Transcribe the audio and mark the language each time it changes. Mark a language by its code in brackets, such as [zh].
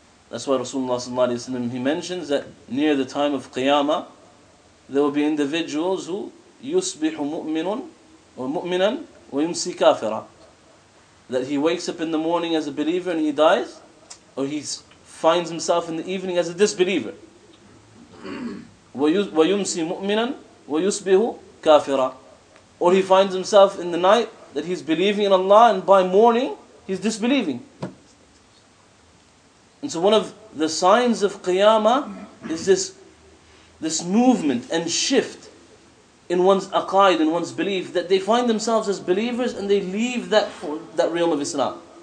[en] That's why Rasulullah sallallahu alayhi wa sallam, he mentions that near the time of Qiyamah, there will be individuals who [ar] yusbihu mu'minun مؤمنا ويمسي كافرا. [en] That he wakes up in the morning as a believer and he dies, or he finds himself in the evening as a disbeliever. [ar] ويمسي مؤمنا ويصبح كافرا. [en] Or he finds himself in the night that he's believing in Allah, and by morning he's disbelieving. And so one of the signs of Qiyamah is this movement and shift in one's aqaid, in one's belief, that they find themselves as believers and they leave that realm of Islam.